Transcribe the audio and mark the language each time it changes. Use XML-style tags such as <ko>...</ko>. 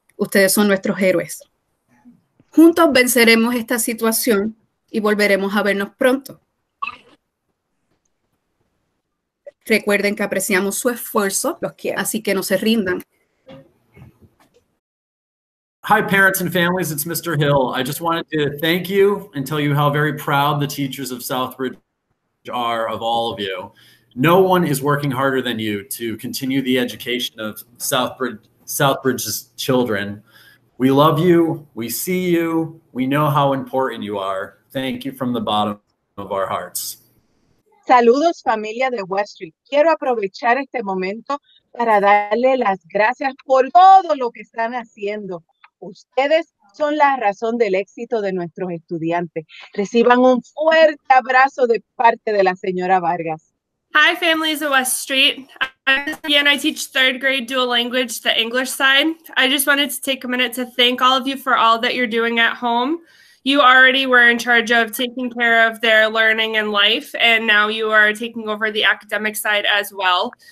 <es>Ustedes son nuestros héroes. Juntos venceremos esta situación y volveremos a vernos pronto. Recuerden que apreciamos su esfuerzo, los quiero, así que no se rindan.</es> <en>Hi, parents and families, it's Mr. Hill. I just wanted to thank you and tell you how very proud the teachers of Southridge are of all of you. No one is working harder than you to continue the education of Southbridge's children. We love you, we see you, we know how important you are. Thank you from the bottom of our hearts.</en> <es>Saludos, familia de West Street. Quiero aprovechar este momento para darle las gracias por todo lo que están haciendo. Ustedes son la razón del éxito de nuestros estudiantes. Reciban un fuerte abrazo de parte de la señora Vargas.</es> <en>Hi, families of West Street. Again, I teach third grade dual language, the English side. I just wanted to take a minute to thank all of you for all that you're doing at home. You already were in charge of taking care of their learning and life, and now you are taking over the academic side as well.</en>